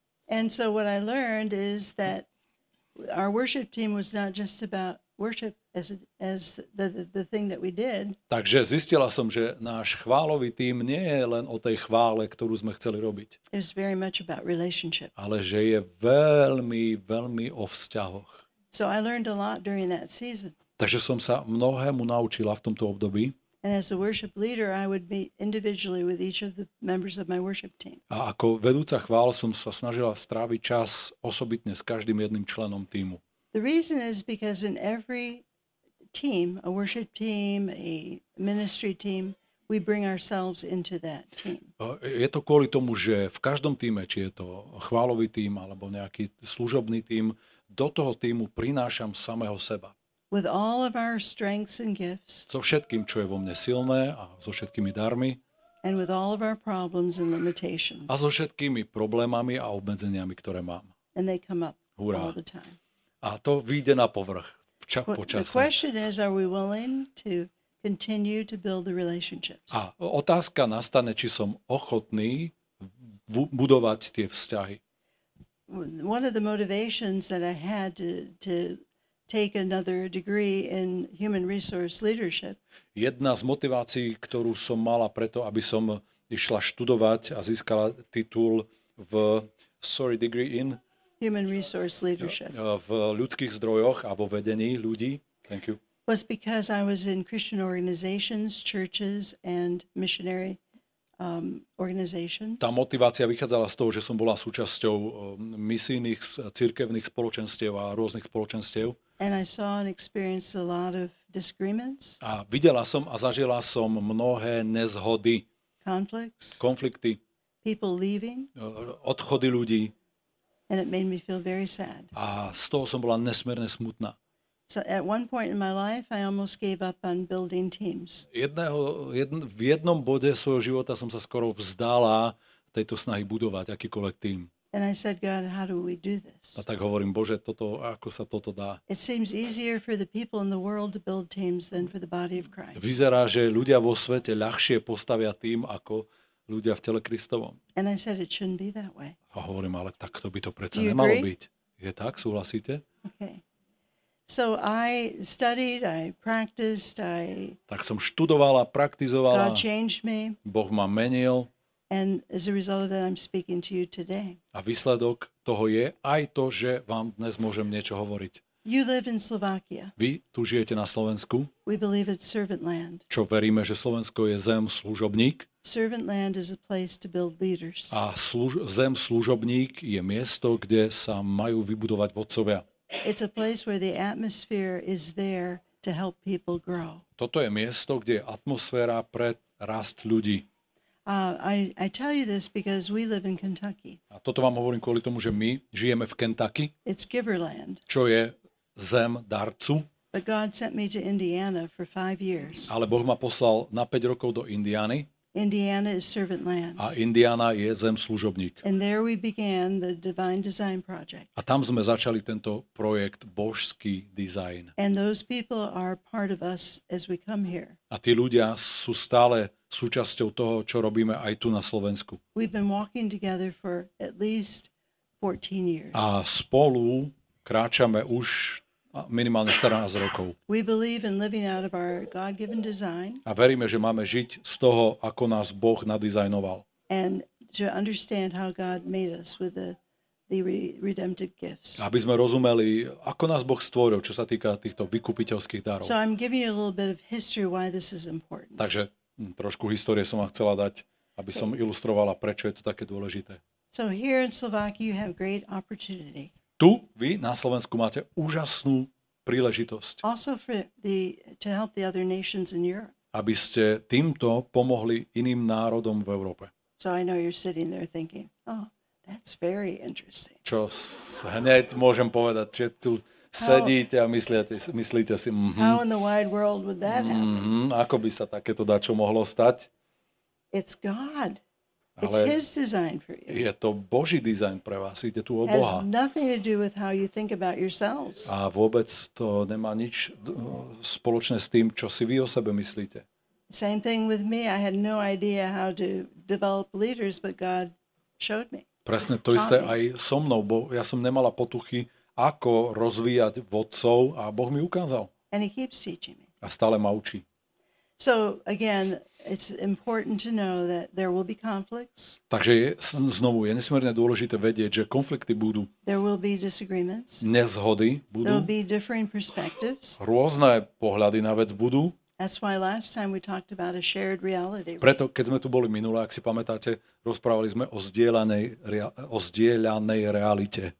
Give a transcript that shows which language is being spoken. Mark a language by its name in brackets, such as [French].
[English] And so what I learned is that our worship team was not just about worship as the thing that we did. [Slovak] Takže zistila som, že náš chválový tím nie je len o tej chvále, ktorú sme chceli robiť. [English] It was very much about relationship. [Slovak] Ale že je veľmi, veľmi o vzťahoch. [English] So I learned a lot during that season. [Slovak] Takže som sa mnohému naučila v tomto období. [English] And as a worship leader, I would meet individually with each of the members of my worship team. [Slovak] A ako vedúca chvál som sa snažila stráviť čas osobitne s každým jedným členom tímu. [English] The reason is because in every team, a worship team, a ministry team, we bring ourselves into that team. [Slovak] Je to kvôli tomu, že v každom týme, či je to chválový tým alebo nejaký služobný tým, do toho týmu prinášam samého seba. [English] With all of our strengths and gifts. [Slovak] So všetkým, čo je vo mne silné a so všetkými darmi. [English] And with all of our problems and limitations. [Slovak] A so všetkými problémami a obmedzeniami, ktoré mám. [English] And they come up. Hurá. All the time. [Slovak] A to vyjde na povrch počasom. [English] The question is, are we willing to continue to build the relationships? [Slovak] A otázka nastane, či som ochotný budovať tie vzťahy. [English] One of the motivations that I had to take another degree in human resource leadership. [Slovak] Jedna z motivácií, ktorú som mala preto, aby som išla študovať a získala titul v [English] degree in human resource leadership. [Slovak] V ľudských zdrojoch a vo vedení ľudí. [English] Thank you. Was because I was in Christian organizations, churches and missionary organizations. [Slovak] Tá motivácia vychádzala z toho, že som bola súčasťou misijných cirkevných spoločenstiev a rôznych spoločenstiev. [English] And I saw and experienced a lot of disagreements. [Slovak] A videla som a zažila som mnohé nezhody. [English] Conflicts. [Slovak] Konflikty. [English] People leaving. [Slovak] Odchody ľudí. [English] And it made me feel very sad. [Slovak] A z toho som bola nesmierne smutná. [English] So at one point in my life I almost gave up on building teams. [Slovak] V jednom bode svojho života som sa skoro vzdala tejto snahy budovať akýkoľvek tím. [English] And I said, God, how do we do this? [Slovak] A tak hovorím, Bože, toto, ako sa toto dá? [English] It seems easier for the people in the world to build teams than for the body of Christ. [Slovak] Vyzerá, že ľudia vo svete ľahšie postavia tým ako ľudia v tele Kristovom. [English] And I said, it shouldn't be that way. [Slovak] A hovorím, ale takto by to predsa nemalo byť. Je tak, súhlasíte? [English] Okay. So I studied, I practiced, I [Slovak] Tak som študovala, praktizovala. [English] God changed me. [Slovak] Boh ma menil. [English] And as a result of that I'm speaking to you today. [Slovak] A výsledok toho je aj to, že vám dnes môžem niečo hovoriť. [English] You live in Slovakia. [Slovak] Vy tu žijete na Slovensku. [English] We believe it's servant land. [Slovak] Čo veríme, že Slovensko je zem služobník. [English] Servant land is a place to build leaders. [Slovak] A zem služobník je miesto, kde sa majú vybudovať vodcovia. [English] It's a place where the atmosphere is there to help people grow. [Slovak] Toto je miesto, kde je atmosféra pre rast ľudí. [English] I tell you this because we live in Kentucky. [Slovak] A toto vám hovorím kvôli tomu, že my žijeme v Kentucky. [English] It's giver land. [Slovak] Čo je zem darcu. [English] But God sent me to Indiana for 5 years. [Slovak] Ale Boh ma poslal na 5 rokov do Indiany. [English] Indiana is servant land. [Slovak] A Indiana je zem služobník. [English] And there we began the divine design project. [Slovak] A tam sme začali tento projekt Božský dizajn. [English] And those people are part of us as we come here. [Slovak] A tí ľudia sú stále súčasťou toho, čo robíme aj tu na Slovensku. [English] We've been walking together for at least 14 years. [Slovak] A spolu kráčame už minimálne 14 rokov. [English] We believe in living out of our God-given design. [Slovak] A veríme, že máme žiť z toho, ako nás Boh nadizajnoval. [English] And to understand how God made us with the redemptive gifts. [Slovak] Aby sme rozumeli, ako nás Boh stvoril, čo sa týka týchto vykupiteľských darov. [English] So I'm giving you a little bit of history why this is important. [Slovak] Takže trošku histórie som vám chcela dať, aby som ilustrovala, prečo je to také dôležité. [English] So here in Slovakia you have great opportunity. [Slovak] Tu vy na Slovensku máte úžasnú príležitosť. [English] Also for to help the other nations in Europe. [Slovak] Aby ste týmto pomohli iným národom v Európe. [English] So I know you're sitting there thinking, oh, that's very interesting. [Slovak] Čo hneď môžem povedať, že tu sedíte a myslíte si, [English] How in the wide world would that happen? [Slovak] Ako by sa takéto dačo mohlo stať? [English] It's God. It's his design for you. [Slovak] Je to Boží dizajn pre vás, ide tu o Boha. [English] Has nothing to do with how you think about yourselves. [Slovak] A vôbec to nemá nič spoločné s tým, čo si vy o sebe myslíte. [English] Same thing with me. I had no idea how to develop leaders, but God showed me. [Slovak] Presne to isté aj so mnou, bo ja som nemala potuchy, ako rozvíjať vodcov a Boh mi ukázal. [English] And he keeps teaching me. [Slovak] A stále ma učí. [English] So again, it's important to know that there will be conflicts. [Slovak] Takže znovu je nesmierne dôležité vedieť, že konflikty budú. [English] There will be disagreements. [Slovak] Nezhody budú. [English] There will be differing perspectives. [Slovak] Rôzne pohľady na vec budú. [English] That's why last time we talked about a shared reality. [Slovak] Preto keď sme tu boli minule, ak si pamätáte, rozprávali sme o zdieľanej realite.